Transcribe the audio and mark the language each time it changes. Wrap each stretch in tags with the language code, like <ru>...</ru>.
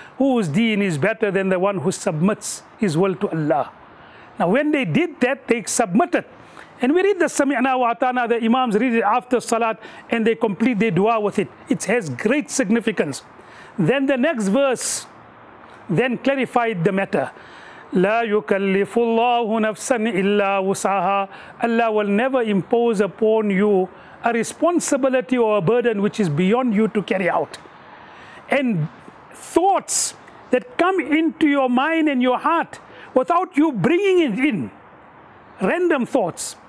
<en>Whose deen is better than the one who submits his will to Allah. Now when they did that, they submitted. And we read the</en> <ar>سَمِعْنَا وَعَطَعْنَا,</ar> <en>the imams read it after salat and they complete their dua with it. It has great significance. Then the next verse then clarified the matter.</en> <ar>لا يكلف الله نفسا إلا وسعها.</ar> <en>Allah will never impose upon you a responsibility or a burden which is beyond you to carry out. And thoughts that come into your mind and your heart without you bringing it in, random thoughts.</en>